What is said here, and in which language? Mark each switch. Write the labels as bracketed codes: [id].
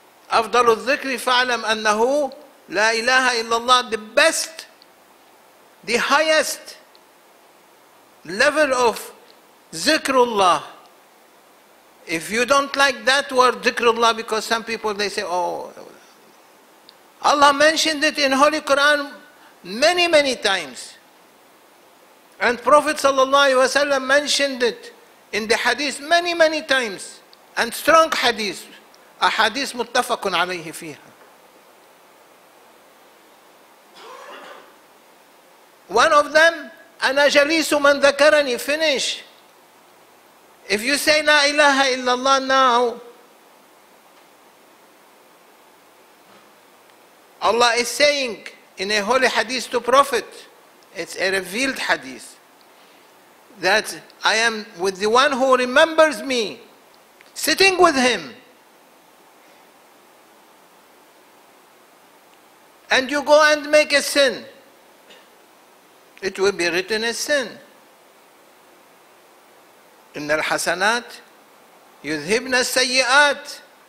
[ar] أفضل الذكر فاعلم أنه لا إله إلا الله, [en] the best, the highest level of zikrullah. If you don't like that word zikrullah, because some people they say, oh, Allah mentioned it in Holy Quran many, many times. And Prophet sallallahu alaihi wasallam mentioned it in the hadith many, many times. And strong hadith, a hadith [ar] muttafaqun alayhi fiha. [en] One of them, [ar] أَنَا جَلِيسُ مَنْ ذَكَرَنِي. [en] Finish. If you say [ar] لا إله إلا الله [en] now, Allah is saying in a holy hadith to Prophet, it's a revealed hadith, that I am with the one who remembers me, sitting with him. And you go and make a sin, it will be written a sin. [ar] إن الحسنات يذهبن السيئات.